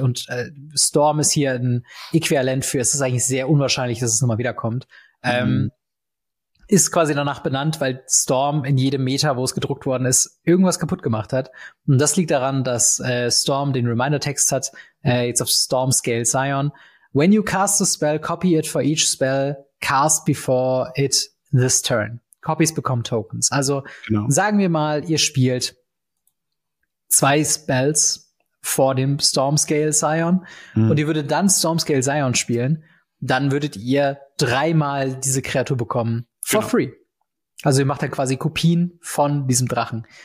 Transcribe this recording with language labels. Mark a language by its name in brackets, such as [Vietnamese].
[German] Und Storm ist hier ein Äquivalent für, es ist eigentlich sehr unwahrscheinlich, dass es nochmal wiederkommt. Ist quasi danach benannt, weil Storm in jedem Meta, wo es gedruckt worden ist, irgendwas kaputt gemacht hat. Und das liegt daran, dass Storm den Reminder-Text hat, jetzt auf Storm Scale Scion. [English] When you cast a spell, copy it for each spell cast before it this turn. Copies become tokens. [German] Also sagen wir mal, ihr spielt 2 Spells vor dem Stormscale Scion und ihr würdet dann Stormscale Scion spielen, dann würdet ihr 3-mal diese Kreatur bekommen [English] for free. [German] Also ihr macht dann quasi Kopien von diesem Drachen.